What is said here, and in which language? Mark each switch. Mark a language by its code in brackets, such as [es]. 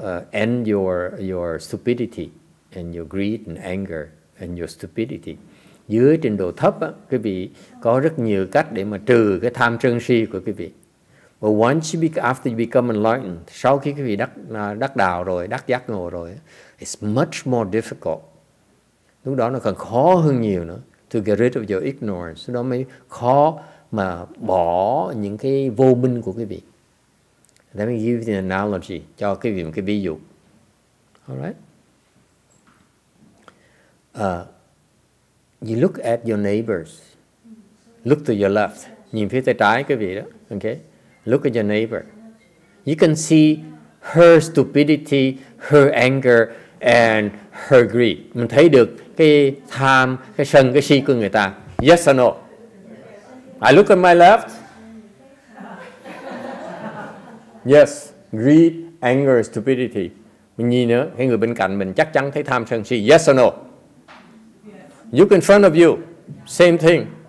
[en] End your stupidity and your greed and anger and your stupidity. [vi] Dưới trình độ thấp á, quý vị có rất nhiều cách để mà trừ cái tham sân si của quý vị. [en] But once after you become enlightened, [vi] sau khi quý vị đắc đạo rồi, đắc giác ngộ rồi, [en] it's much more difficult. [vi] Lúc đó nó còn khó hơn nhiều nữa [en] to get rid of your ignorance. [vi] Lúc đó mới khó mà bỏ những cái vô minh của quý vị. [en] Let me give you an analogy. [vi] Cho quý vị một cái ví dụ. [en] Alright? You look at your neighbors. Look to your left. [vi] Nhìn phía tay trái quý vị đó. [en] Okay? Look at your neighbor. You can see her stupidity, her anger, and her greed. [vi] Mình thấy được cái tham, cái sân, cái si của người ta. [en] Yes or no? I look at my left. Yes, greed, anger, stupidity. [vi] Mình nhìn nữa, cái người bên cạnh mình chắc chắn thấy tham sân si. [en] Yes or no? Look in front of you. Same thing.